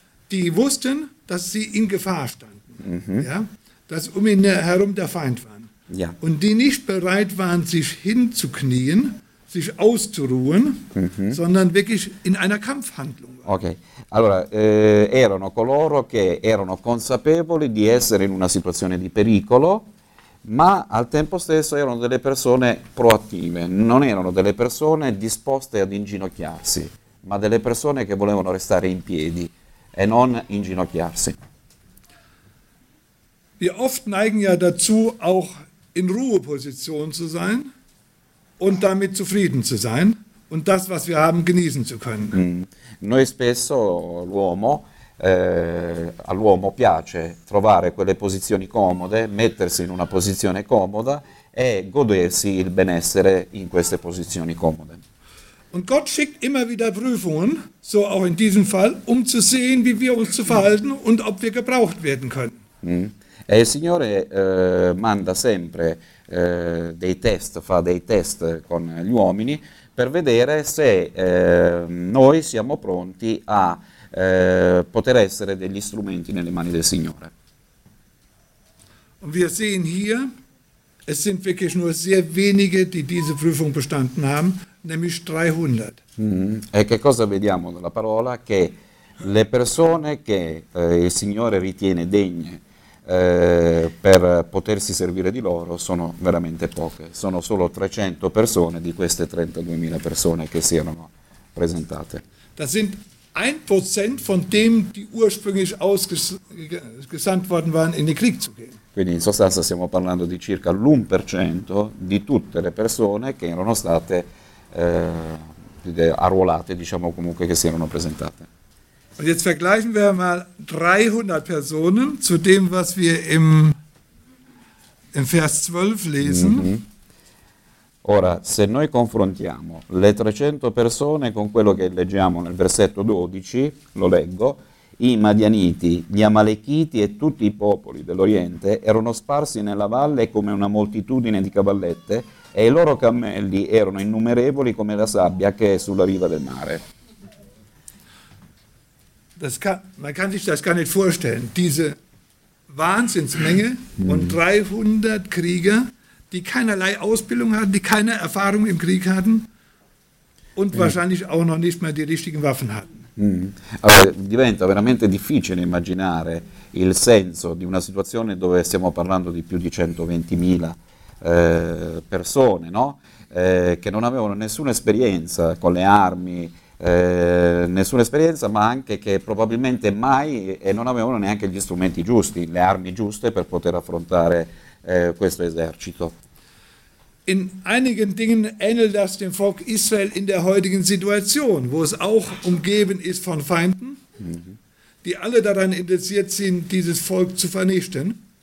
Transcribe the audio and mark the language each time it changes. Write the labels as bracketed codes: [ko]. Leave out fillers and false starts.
[de] die wussten, dass sie in Gefahr standen, ja, dass um ihn herum der Feind waren. Ja. Und die nicht bereit waren, sich hinzuknien, sich auszuruhen, sondern wirklich in einer Kampfhandlung. [it] Ok, allora, erano coloro che erano consapevoli di essere in una situazione di pericolo, ma al tempo stesso erano delle persone proattive, non erano delle persone disposte ad inginocchiarsi, ma delle persone che volevano restare in piedi e non inginocchiarsi. [de] Wir oft neigen ja dazu, auch in Ruheposition zu sein und damit zufrieden zu sein und das, was wir haben, genießen zu können. [it] Noi spesso all'uomo piace trovare quelle posizioni comode, mettersi in una posizione comoda e godersi il benessere in queste posizioni comode. [de] Und Gott schickt immer wieder Prüfungen, so auch in diesem Fall, um zu sehen, wie wir uns zu verhalten und ob wir gebraucht werden können. [it] E il Signore manda sempre dei test con gli uomini per vedere se noi siamo pronti a poter essere degli strumenti nelle mani del Signore. [de] Und wir sehen hier, es sind wirklich nur sehr wenige, die diese Prüfung bestanden haben, nämlich 300. [it] E che cosa vediamo dalla parola? Che le persone che il Signore ritiene degne per potersi servire di loro sono veramente poche, sono solo 300 persone di queste 32.000 persone che si erano presentate. [de] Das sind 1% von dem die ursprünglich ausgesandt worden waren in den Krieg zu gehen. [it] Quindi in sostanza stiamo parlando di circa l'1% di tutte le persone che erano state arruolate, diciamo, comunque che si erano presentate. [de] Und jetzt vergleichen wir mal 300 Personen zu dem, was wir im Vers 12 lesen. [it] Ora, se noi confrontiamo le 300 persone con quello che leggiamo nel versetto 12, lo leggo, i Madianiti, gli Amalechiti e tutti i popoli dell'Oriente erano sparsi nella valle come una moltitudine di cavallette e i loro cammelli erano innumerevoli come la sabbia che è sulla riva del mare. [de] Man kann sich das gar nicht vorstellen, diese Wahnsinnsmenge und 300 Krieger, die keinerlei Ausbildung hatten, die keine Erfahrung im Krieg hatten und wahrscheinlich auch noch nicht mal die richtigen Waffen hatten. [it] Allora, diventa veramente difficile immaginare il senso di una situazione dove stiamo parlando di più di 120.000 persone, no? Che non avevano nessuna esperienza con le armi, nessuna esperienza, ma anche che probabilmente mai e non avevano neanche gli strumenti giusti, le armi giuste per poter affrontare questo esercito. [de] In einigen Dingen ähnelt das dem Volk Israel in der heutigen Situation, wo es auch umgeben ist von Feinden, die alle daran interessiert sind, dieses Volk zu vernichten.